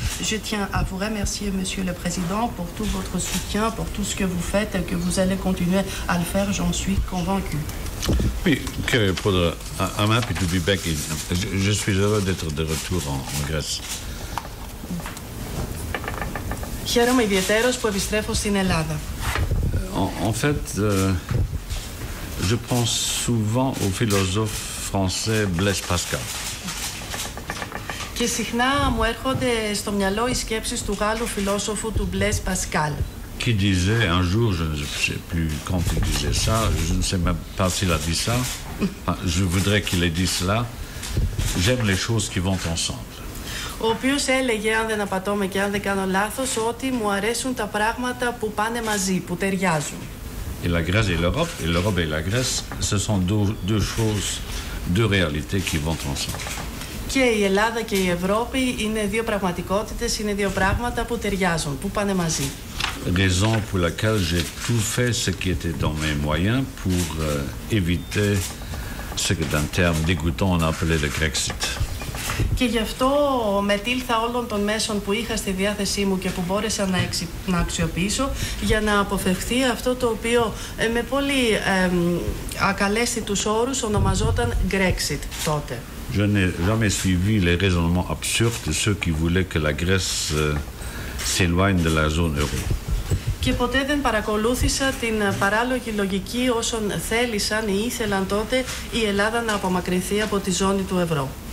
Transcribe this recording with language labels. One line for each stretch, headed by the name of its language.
French: Je tiens à vous remercier, Monsieur le Président, pour tout votre soutien, pour tout ce que vous faites et que vous allez continuer à le faire, j'en suis convaincu. Oui, Monsieur le Président,
English: I'm happy to be back.
French: Je suis heureux d'être de retour en Grèce.
Greek: Χαίρομαι ιδιαίτερος που επιστρέφω στην Ελλάδα.
French: En fait, je pense souvent au philosophe français Blaise Pascal.
Greek: Και συχνά μου έρχονται στο μυαλό οι σκέψεις του Γάλλου φιλόσοφου του Blaise Pascal.
French: Qui disait un jour, je ne sais plus quand il disait ça, je ne sais même pas s'il a dit ça, je voudrais qu'il ait dit cela, j'aime les choses qui vont ensemble.
Greek: Ο οποίος έλεγε, αν δεν απατώμε και αν δεν κάνω λάθος, ότι μου αρέσουν τα πράγματα που πάνε μαζί, που ταιριάζουν.
French: Et la Grèce et l'Europe, et l'Europe et la Grèce, ce sont deux choses, deux réalités qui vont ensemble.
Greek: Και η Ελλάδα και η Ευρώπη είναι δύο πραγματικότητες, είναι δύο πράγματα που ταιριάζουν, που πάνε μαζί.
French: Raison pour laquelle j'ai tout fait ce qui était dans mes moyens pour éviter ce que d'un terme dégoûtant on appelait le Grexit.
Greek: Και γι' αυτό μετήλθα όλων των μέσων που είχα στη διάθεσή μου και που μπόρεσα να αξιοποιήσω για να αποφευχθεί αυτό το οποίο με πολύ ακαλέσθητους όρους ονομαζόταν Grexit τότε.
French: Je n'ai jamais suivi les raisonnements absurdes de ceux qui voulaient que la Grèce s'éloigne de la zone euro.
Greek: Και ποτέ δεν παρακολούθησα την παράλογη λογική όσων θέλησαν ή ήθελαν τότε η Ελλάδα να απομακρυνθεί από τη ζώνη του ευρώ.